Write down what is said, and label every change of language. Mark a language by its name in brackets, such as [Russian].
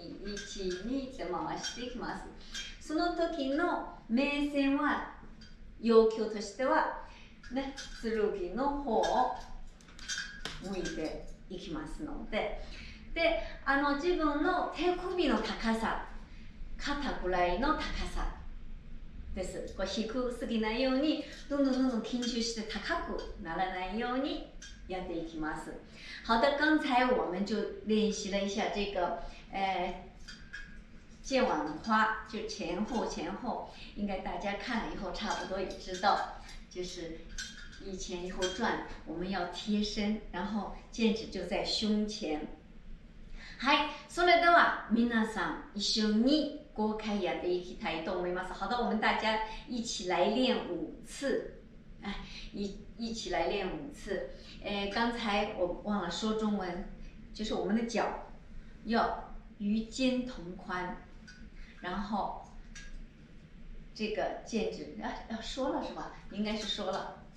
[Japanese] 1、2、1、2って回していきます。その時の目線は要求としてはね、剣の方を向いていきますので、で、あの自分の手首の高さ、肩ぐらいの高さです。こう低すぎないようにどんどんどんどん緊張して高くならないようにやっていきます。 [Chinese] 好的，刚才我们就练习了一下这个，剑网花，就前后前后，应该大家看了以后差不多也知道，就是一前一后转，我们要贴身，然后剑指就在胸前。 [Japanese] はい、それでは皆さん一緒に豪快やっていきたいと思います。 [Chinese] 好的，我们大家一起来练五次。一起来练五次。刚才我忘了说中文，就是我们的脚要与肩同宽，然后这个剑指要说了是吧？应该是说了。